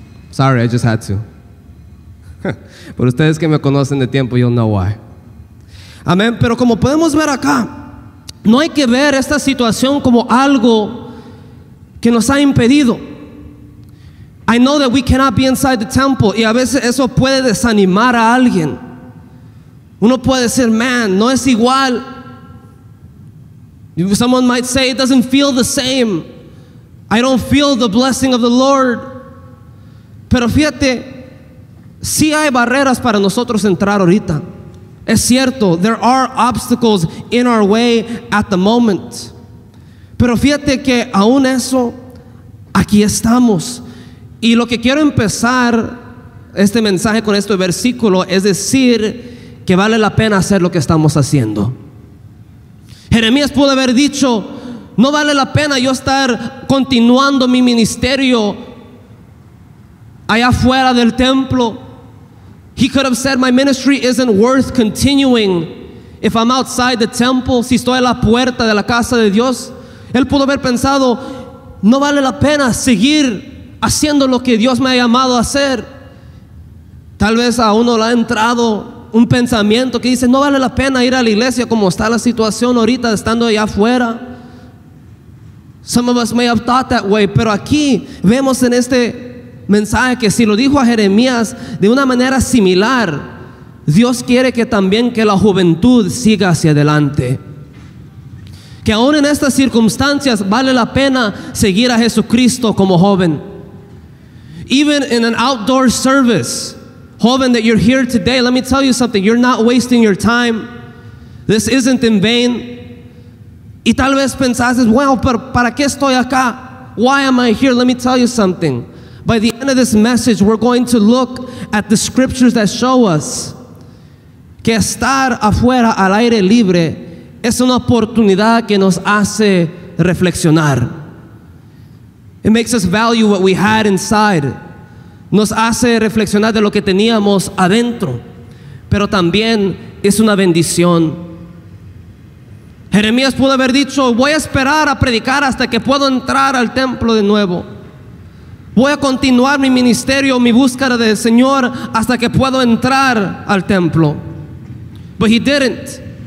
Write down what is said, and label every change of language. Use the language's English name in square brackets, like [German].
[English] Sorry, I just had to. [Spanish] Por ustedes que me conocen de tiempo, [English] you'll know why. [Spanish] Amén, pero como podemos ver acá, no hay que ver esta situación como algo que nos ha impedido. [English] I know that we cannot be inside the temple. [Spanish] Y a veces eso puede desanimar a alguien. Uno puede decir, man, no es igual. [English] Someone might say, it doesn't feel the same. I don't feel the blessing of the Lord. [Spanish] Pero fíjate, sí hay barreras para nosotros entrar ahorita. Es cierto, [English] there are obstacles in our way at the moment. [Spanish] Pero fíjate que aún eso, aquí estamos. Y lo que quiero empezar este mensaje con este versículo es decir que vale la pena hacer lo que estamos haciendo. Jeremías pudo haber dicho, no vale la pena yo estar continuando mi ministerio allá afuera del templo. [English] He could have said, my ministry isn't worth continuing if I'm outside the temple. [Spanish] Si estoy a la puerta de la casa de Dios, él pudo haber pensado, no vale la pena seguir haciendo lo que Dios me ha llamado a hacer. Tal vez a uno le ha entrado un pensamiento que dice, no vale la pena ir a la iglesia como está la situación ahorita estando allá afuera. [English] Some of us may have thought that way, [Spanish] pero aquí vemos en este mensaje que si lo dijo a Jeremías de una manera similar, Dios quiere que también que la juventud siga hacia adelante. Que aún en estas circunstancias vale la pena seguir a Jesucristo como joven. [English] Even in an outdoor service, joven, that you're here today, let me tell you something, you're not wasting your time. This isn't in vain. [Spanish] Y tal vez pensases, well, pero ¿para qué estoy acá? [English] Why am I here? Let me tell you something. By the end of this message, we're going to look at the scriptures that show us [Spanish] que estar afuera al aire libre es una oportunidad que nos hace reflexionar. [English] It makes us value what we had inside. [Spanish] Nos hace reflexionar de lo que teníamos adentro. Pero también es una bendición. Jeremías pudo haber dicho, voy a esperar a predicar hasta que puedo entrar al templo de nuevo. Voy a continuar mi ministerio, mi búsqueda del Señor hasta que puedo entrar al templo. [English] But he didn't.